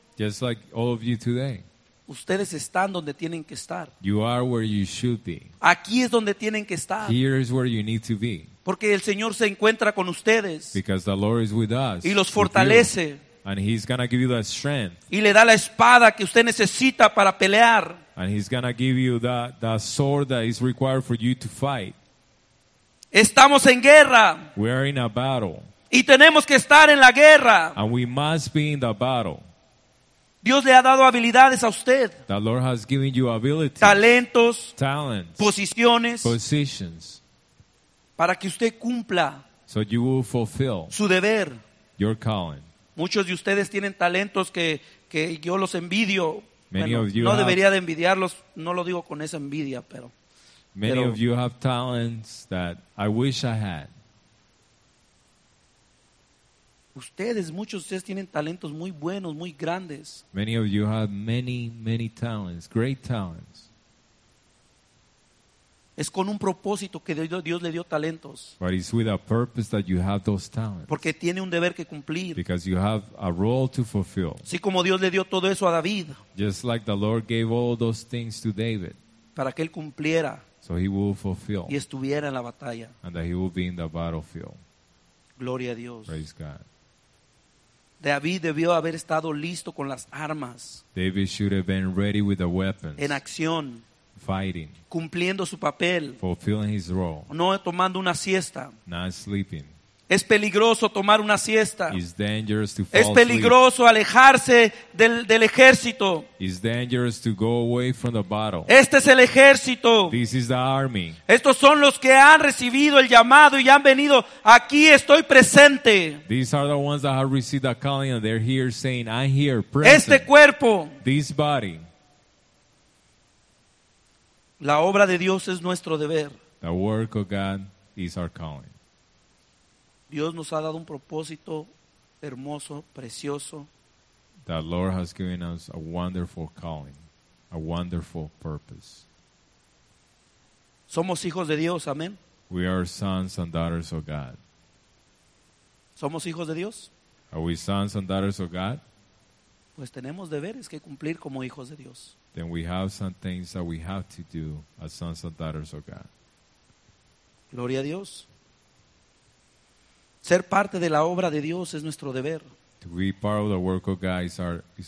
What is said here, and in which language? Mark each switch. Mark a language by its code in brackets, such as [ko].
[en] Just like all of you today. [es] Ustedes están donde tienen que estar. [en] You are where you should be. [es] Aquí es donde tienen que estar. [en] Here is where you need to be. [es] Porque el Señor se encuentra con ustedes. [en] Because the Lord is with us. [es] Y los fortalece. [en] And he's going to give you the strength. [es] Y le da la espada que usted necesita para pelear. [en] And he's going to give you that sword that is required for you to fight. [es] Estamos en guerra. [en] We are in a battle. [es] Y tenemos que estar en la guerra. [en] And we must be in the battle. [es] Dios le ha dado habilidades a usted. [en] The Lord has given you abilities. [es] Talentos. [en] Talents. [es] Posiciones. [en] Positions. [es] Para que usted cumpla. [en] So you will fulfill. [es] Su deber. [en] Your calling. [es] Muchos de ustedes tienen talentos que yo los envidio. [en] Many [es] bueno, [en] of you [es] no [en] have, [es] debería de envidiarlos. No lo digo con esa envidia, pero. [en] Many [es] pero, [en] of you have talents that I wish I had. [es] Ustedes, muchos de ustedes tienen talentos muy buenos, muy grandes. [en] Many of you have many, many talents, great talents. [es] Es con un propósito que Dios le dio talentos. [en] But it's with a purpose that you have those talents. [es] Porque tiene un deber que cumplir. [en] Because you have a role to fulfill. [es] Así como Dios le dio todo eso a David. [en] Just like the Lord gave all those things to David. [es] Para que él cumpliera. [en] So he will fulfill. [es] Y estuviera en la batalla. [en] And that he will be in the battlefield. [es] Gloria a Dios. [en] Praise God. [es] David debió haber estado listo con las armas. [en] David should have been ready with the weapons. [es] En acción. [en] Fighting. [es] Cumpliendo su papel. [en] Fulfilling his role. [es] No tomando una siesta. [en] Not sleeping. [es] Es peligroso tomar una siesta. [en] It's dangerous to fall asleep. [es] Es peligroso alejarse del ejército. [en] It's dangerous to go away from the battle. [es] Este es el ejército. [en] This is the army. [es] Estos son los que han recibido el llamado y han venido. Aquí estoy presente. [en] These are the ones that have received the calling and they're here saying, I'm here present. [es] Este cuerpo. [en] This body. [es] La obra de Dios es nuestro deber. [en] The work of God is our calling. [es] Dios nos ha dado un propósito hermoso, precioso. [en] The Lord has given us a wonderful calling, a wonderful purpose. [es] Somos hijos de Dios, amén. [en] We are sons and daughters of God. [es] Somos hijos de Dios. [en] Are we sons and daughters of God? [es] Pues tenemos deberes que cumplir como hijos de Dios. [en] Then we have some things that we have to do as sons and daughters of God. [es] Gloria a Dios. Ser parte de la obra de Dios es nuestro deber. [en] To be part of the work of God is our